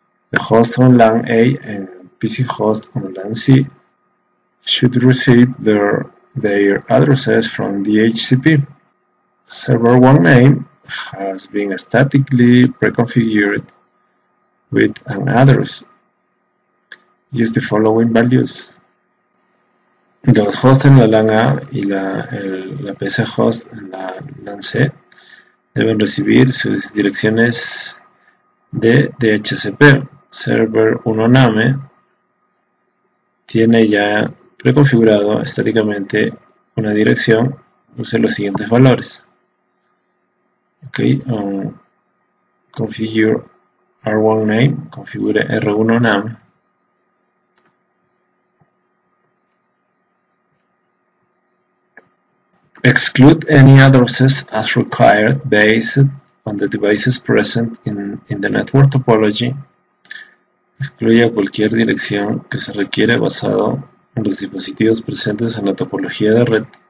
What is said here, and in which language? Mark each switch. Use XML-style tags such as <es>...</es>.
<en>The host on LAN A and PC host on LAN C should receive their addresses from the HCP. Server 1 name has been statically pre-configured with an address. Use the following values.</en> <es>La host en la LAN A y la PC host en la LAN C deben recibir sus direcciones de DHCP. Server 1 name tiene ya preconfigurado estáticamente una dirección. Use los siguientes valores. Configure R1 name, configure R1 name.</es> <en>Exclude any addresses as required based on the devices present in the network topology.</en> <es>Excluye cualquier dirección que se requiere basado en los dispositivos presentes en la topología de red.</es>